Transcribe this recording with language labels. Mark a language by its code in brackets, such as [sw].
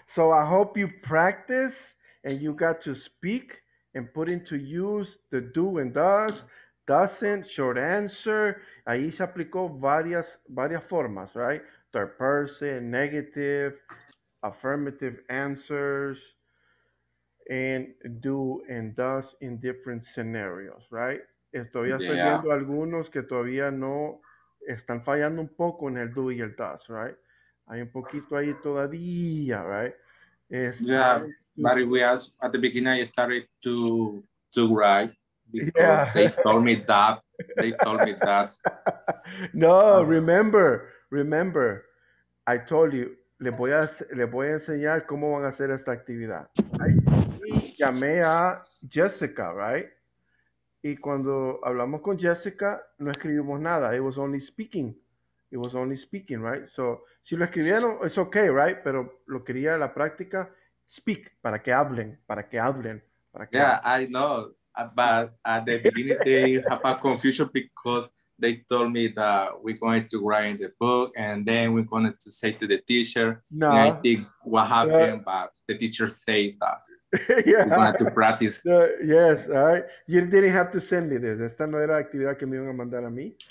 [en] So I hope you practice and you got to speak and put into use the do and does, doesn't, short answer. [es] Ahí se aplicó varias formas, [en] right? Third person, negative, affirmative answers, and do and does in different scenarios, right? [es] Todavía estoy viendo algunos que todavía no están fallando un poco en el do y el does, right? Hay un poquito ahí todavía, right? [en] But we asked at the beginning, I started to write because they told me that. They told me that. [es] No, [en] remember, I told you, [es] les voy a enseñar cómo van a hacer esta actividad. Llamé a Jessica, right? Y cuando hablamos con Jessica, no escribimos nada. [en] It was only speaking. It was only speaking, right? So, [es] si lo escribieron, [en] it's okay, right? [es] Pero lo quería la práctica, speak, para que hablen, para que hablen. Para que [en] yeah, hablen. I know. But at the beginning, they have a confusion because they told me that we're going to write in the book and then we're going to say to the teacher. No. And I think what happened, but the teacher said that. Yes, all right. You didn't have to send me this. [es] Esta no era actividad que me iban a mandar a mí.